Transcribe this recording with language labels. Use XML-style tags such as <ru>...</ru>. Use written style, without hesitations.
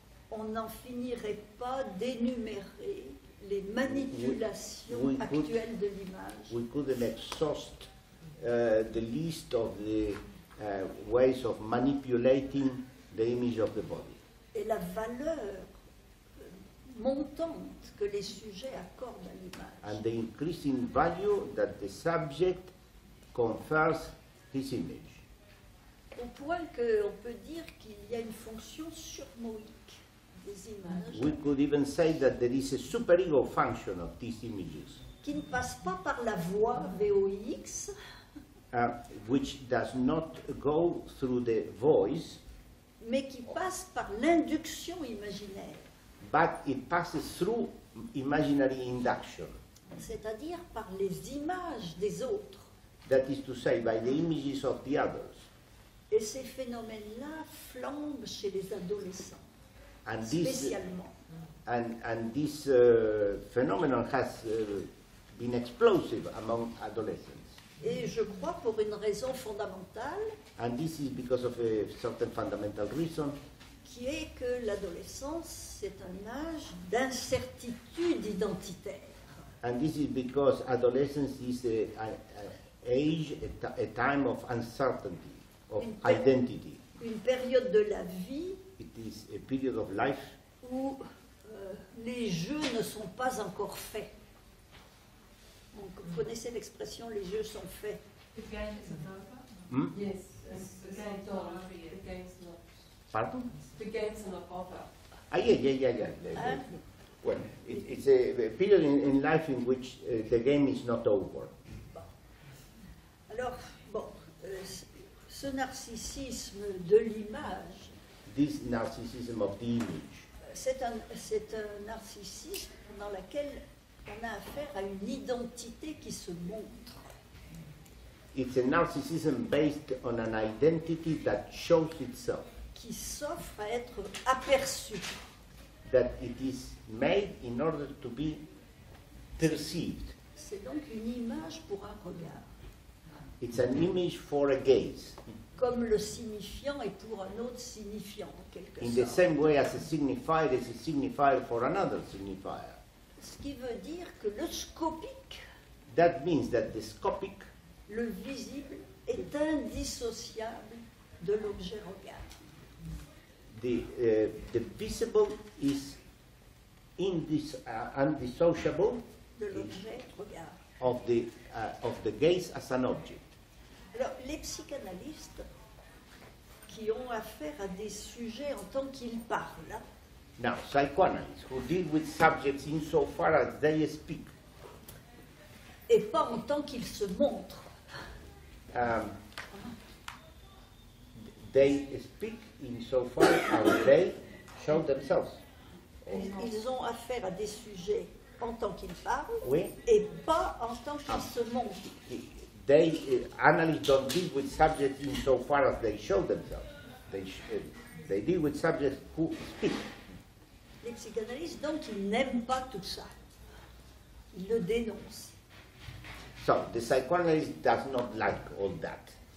<fr>On n'en finirait pas d'énumérer les manipulations we actuelles de l'image.</fr> <en>We couldn't exhaust the list of the ways of manipulating the image of the body.</en> <fr>Et la valeur montante que les sujets accordent à l'image.</fr> <en>And the increasing value that the subject confers his image.</en> <fr>Au point qu'on peut dire qu'il y a une fonction surmoïque des images.</fr> <en>We could even say that there is a superego function of these images.</en> <fr>Qui ne passe pas par la voie VOIX.</fr> <en>Which does not go through the voice.</en> <fr>Mais qui passe par l'induction imaginaire.</fr> <en>But it passes through imaginary induction.</en> <fr>C'est-à-dire par les images des autres.</fr> <en>That is to say, by the images of the others.</en> <fr>Et ces phénomènes-là flambent chez les adolescents,</fr> <en>and this,</en> <fr>spécialement.</fr> <en>And this phenomenon has been explosive among adolescents.</en> <fr>Et je crois pour une raison fondamentale.</fr> <en>And this is because of a certain fundamental reason.</en> <fr>Qui est que l'adolescence c'est un âge d'incertitude identitaire.</fr> <en>And this is because adolescence is a time of uncertainty. Of identity.</en> <fr>Une période de la vie.</fr> <en>It is a period of life.</en> <fr>Où les jeux ne sont pas encore faits. Donc, vous connaissez l'expression les jeux sont faits.</fr> <en>The game is not over. Hmm? Yes, the game is not over. Yet. The game is not.</en> <fr>Pardon?</fr> <en>The game is not over. Ah, yeah. Well, it's a period in life in which the game is not over.</en> <fr>Alors, bon. Ce narcissisme de l'image.</fr> <en>This narcissism of the image.</en> <fr>C'est un narcissisme dans lequel on a affaire à une identité qui se montre.</fr> <en>It's a narcissism based on an identity that shows itself.</en> <fr>Qui s'offre à être aperçu.</fr> <en>That it is made in order to be perceived.</en> <fr>C'est donc une image pour un regard.</fr> <en>It's an image for a gaze.</en> <fr>Comme le signifiant est pour un autre signifiant, en quelque sorte.</fr> <en>In the same way as a signifier is a signifier for another signifier.</en> <fr>Ce qui veut dire que le scopique.</fr> <en>That means that the scopic.</en> <fr>Le visible est indissociable de l'objet regardé.</fr> <en>The visible is indissociable.</en> <fr>De l'objet regardé.</fr> <en>Of the gaze as an object.</en> <fr>Alors, les psychanalystes qui ont affaire à des sujets en tant qu'ils parlent.</fr> <en>Now, psychoanalysts who deal with subjects in so far as they speak.</en> <fr>Et pas en tant qu'ils se montrent.</fr> <en>They speak in so far as they show themselves.</en> <fr>Ils ont affaire à des sujets en tant qu'ils parlent, oui. Et pas en tant qu'ils se montrent.</fr> <en>They analysts don't deal with subjects in so far as they show themselves. They deal with subjects who speak.</en> <fr>Les psychanalystes donc ils n'aiment pas tout ça. Ils le dénoncent.</fr> <en>So the psychoanalyst does not like all that.</en>